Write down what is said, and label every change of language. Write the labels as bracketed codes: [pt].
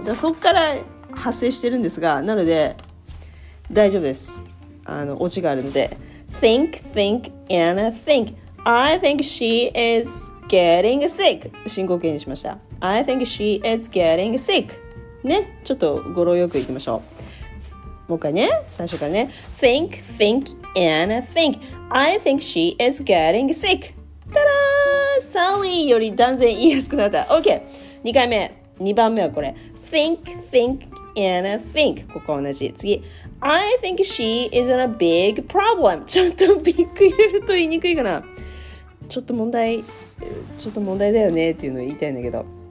[ja] だそっから発生してるんですが、なので、大丈夫です。オチがあるので。 [en] think, think, and think. I think she is getting sick. [ja] 進行形にしました。 [en] I think she is getting sick. [ja] ね、ちょっと語呂よくいきましょう。もう一回ね、最初からね。 [en] think, think,And think, I think she is getting sick. [ja] Ta-da! Sally より断然言いやすくなった。OK! 2回目。2番目はこれ。 [en] Think, think, and think. [ja] ここ同じ。次。 [en] I think she is in a big problem. [ja] ちょっとビッグ入れると言いにくいかな。ちょっと問題だよねっていうのを言いたいんだけど。